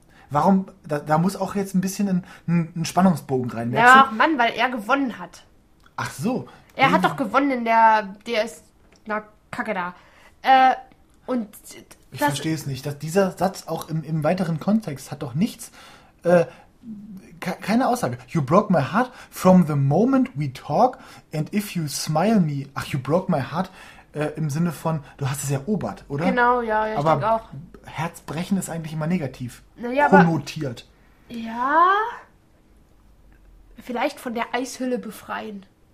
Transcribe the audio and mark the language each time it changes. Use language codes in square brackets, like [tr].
[de] Warum, da muss auch jetzt ein bisschen ein Spannungsbogen rein. Ja, Mann, weil er gewonnen hat. Ach so. Er hat doch gewonnen in der ist, na, kacke da. Und ich verstehe es nicht. Dass dieser Satz auch im weiteren Kontext hat doch nichts... keine Aussage. [en] You broke my heart from the moment we talk and if you smile me... [de] Ach, [en] you broke my heart [de] im Sinne von, du hast es erobert, oder? Genau, ja, ich denke auch. Aber Herzbrechen ist eigentlich immer negativ. Naja, konnotiert. Aber, ja, vielleicht von der Eishülle befreien.